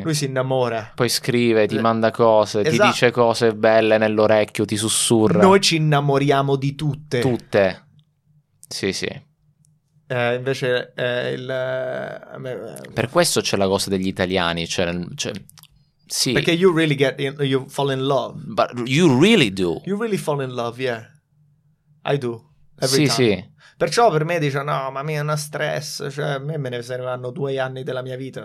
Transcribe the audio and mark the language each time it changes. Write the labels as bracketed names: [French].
[Italian] Lui si innamora. Poi scrive, ti manda cose, esatto. Ti dice cose belle nell'orecchio, ti sussurra. Noi ci innamoriamo di tutte. Tutte. Sì, sì. Invece il... Per questo c'è la cosa degli italiani, cioè... Sì. Perché [English] you really get in, you fall in love. But you really do. You really fall in love, yeah. I do. Every [Italian] sì, [English] time. [Italian] Sì. Perciò per me dice no, ma mi è una stress. Cioè, a me ne servono 2 anni della mia vita.